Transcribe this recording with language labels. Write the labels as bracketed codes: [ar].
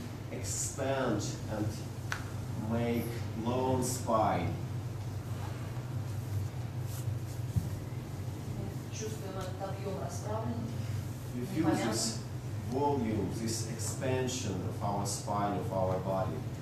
[en] Expand and make long spine. [ru] Чувствуем этот объем расправлен. [en] We feel this volume, this expansion of our spine, of our body.